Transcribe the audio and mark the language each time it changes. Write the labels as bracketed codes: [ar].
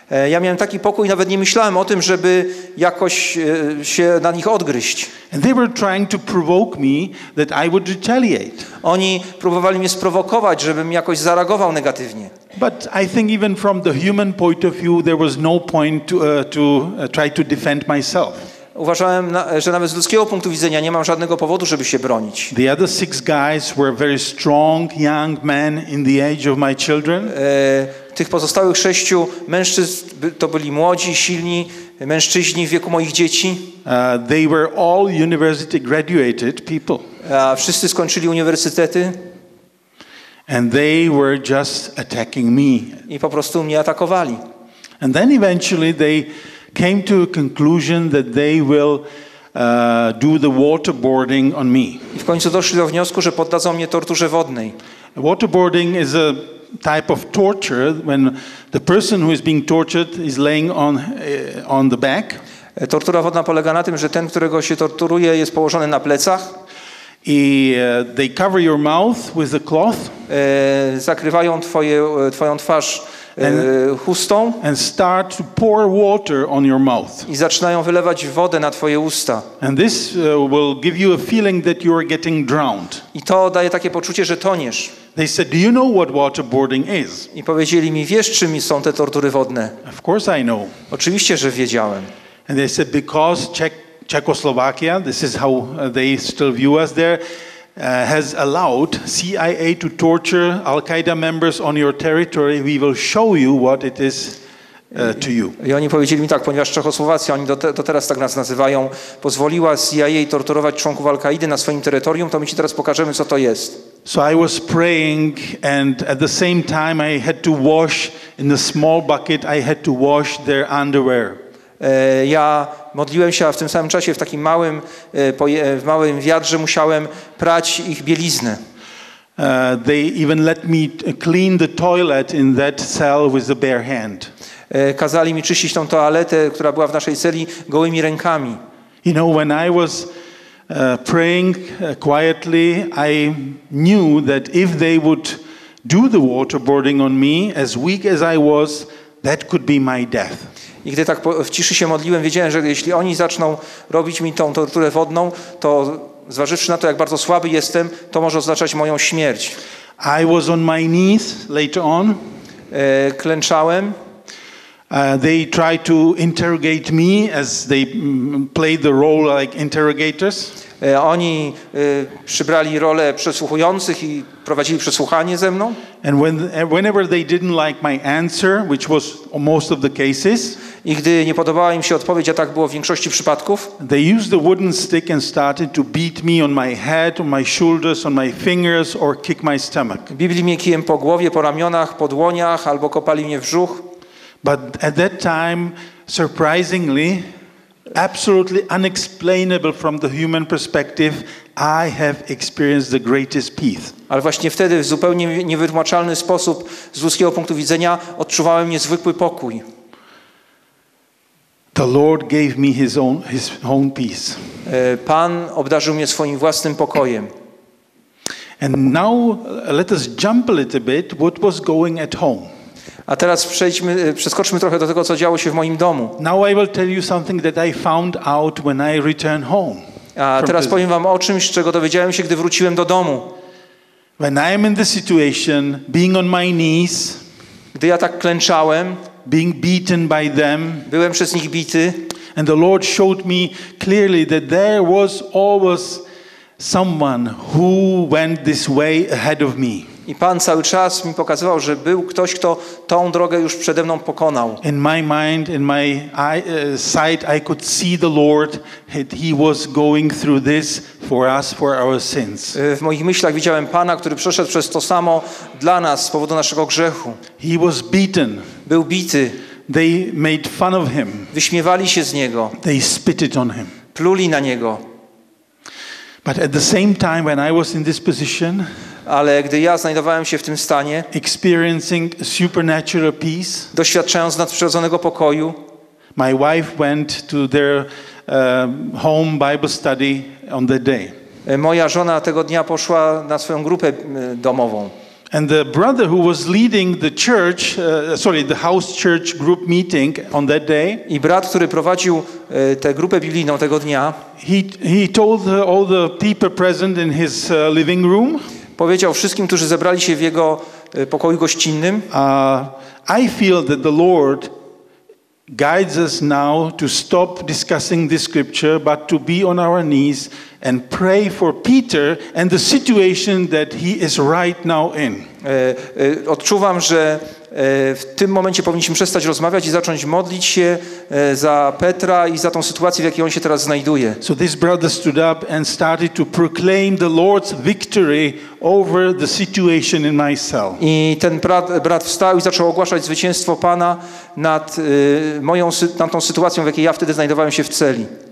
[pl] Ja miałem taki pokój, nawet nie myślałem o tym, żeby jakoś się na nich odgryźć. [en] And they were trying to provoke me that I would retaliate. [pl] Oni próbowali mnie sprowokować, żebym jakoś zareagował negatywnie. [en] But I think even from the human point of view there was no point to try to defend myself. [pl] Uważałem, że nawet z ludzkiego punktu widzenia nie mam żadnego powodu, żeby się bronić. [en] The other six guys were very strong young men in the age of my children. [pl] Tych pozostałych sześciu mężczyzn to byli młodzi, silni mężczyźni w wieku moich dzieci. [en] They were all university graduated people. [pl] Wszyscy skończyli uniwersytety. [en] And they were just attacking me. [pl] I po prostu mnie atakowali. [en] And then eventually they came to a conclusion that they will do the waterboarding on me. [pl] I w końcu doszli do wniosku, że poddadzą mnie torturze wodnej. [en] Waterboarding is a type of torture when the person who is being tortured is laying on the back. [pl] Tortura wodna polega na tym, że ten, którego się torturuje, jest położony na plecach. [en] I they cover your mouth with a cloth. [pl] Zakrywają twoją twarz chustą [en] and start to pour water on your mouth. [pl] I zaczynają wylewać wodę na twoje usta. [en] And this will give you a feeling that you are getting drowned. [pl] I to daje takie poczucie, że toniesz. [en] They said, "Do you know what waterboarding is?" [pl] I powiedzieli mi, wiesz, czym są te tortury wodne? [en] Of course I know. [pl] Oczywiście, że wiedziałem. [en] And they said, because Czechoslovakia, this is how they still view us there, has allowed CIA to torture Al-Qaeda members on your territory, we will show you what it is to you. [pl] I oni powiedzieli mi tak, ponieważ Czechosłowacja, oni do teraz tak nas nazywają, pozwoliła CIA torturować członków Al-Qaidy na swoim terytorium, to my ci teraz pokażemy, co to jest. [en] So I was praying and at the same time I had to wash in a small bucket, I had to wash their underwear. [pl] Ja modliłem się, a w tym samym czasie w takim małym, w małym wiadrze musiałem prać ich bieliznę. [en] They even let me clean the toilet in that cell with a bare hand. [pl] Kazali mi czyścić tą toaletę, która była w naszej celi, gołymi rękami. [en] You know, when I was praying quietly, I knew that if they would do the waterboarding on me, as weak as I was, that could be my death. [pl] I gdy tak w ciszy się modliłem, wiedziałem, że jeśli oni zaczną robić mi tą torturę wodną, to zważywszy na to, jak bardzo słaby jestem, to może oznaczać moją śmierć. [en] I was on my knees later on. [pl] Klęczałem. [en] They tried to interrogate me as they played the role like interrogators. [pl] Oni przybrali rolę przesłuchujących i prowadzili przesłuchanie ze mną. [en] And whenever they didn't like my answer, which was most of the cases, [pl] i gdy nie podobała im się odpowiedź, a tak było w większości przypadków, [en] they used the wooden stick and started to beat me on my head, on my shoulders, on my fingers, or kick my stomach. [pl] Bili mnie kijem po głowie, po ramionach, po dłoniach, albo kopali mnie w brzuch. [en] But at that time, surprisingly, absolutely unexplainable from the human perspective, I have experienced the greatest peace. [pl] Ale właśnie wtedy w zupełnie niewytłumaczalny sposób z ludzkiego punktu widzenia odczuwałem niezwykły pokój. [en] The Lord gave me his own peace. [pl] Pan obdarzył mnie swoim własnym pokojem. [en] And now let us jump a little bit what was going at home. [pl] A teraz przeskoczmy trochę do tego, co działo się w moim domu. [en] Now I will tell you something that I found out when I returned home. [pl] A teraz powiem wam o czymś, czego dowiedziałem się, gdy wróciłem do domu. [en] When I am in the situation, being on my knees, [pl] gdy ja tak klęczałem, [en] being beaten by them, [pl] byłem przez nich bity, [en] and the Lord showed me clearly that there was always someone who went this way ahead of me. [pl] I Pan cały czas mi pokazywał, że był ktoś, kto tą drogę już przede mną pokonał. [en] In my mind, in my sight, I could see the Lord, that he was going through this for us, for our sins. [pl] W moich myślach widziałem Pana, który przeszedł przez to samo dla nas z powodu naszego grzechu. [en] He was beaten. [pl] Był bity. [en] They made fun of him. [pl] Wyśmiewali się z niego. [en] They spitted on him. [pl] Pluli na niego. [en] But at the same time, when I was in this position, [pl] ale gdy ja znajdowałem się w tym stanie, [en] experiencing supernatural peace, [pl] doświadczając nadprzyrodzonego pokoju, [en] my wife went to their home Bible study on the day. [pl] Moja żona tego dnia poszła na swoją grupę domową. [en] And the brother who was leading the church, the house church group meeting on that day. [pl] I brat, który prowadził tę grupę biblijną tego dnia, [en] he told all the people present in his living room. [pl] Powiedział wszystkim, którzy zebrali się w jego pokoju gościnnym. [en] I feel that the Lord guides us now to stop discussing this scripture, but to be on our knees and pray for Peter and the situation that he is right now in. [pl] Odczuwam, że w tym momencie powinniśmy przestać rozmawiać i zacząć modlić się za Petra i za tą sytuację, w jakiej on się teraz znajduje. [en] So this brother stood up and started to proclaim the Lord's victory over the situation in my cell. [pl] I ten brat wstał i zaczął ogłaszać zwycięstwo Pana nad tą sytuacją, w jakiej ja wtedy znajdowałem się w celi.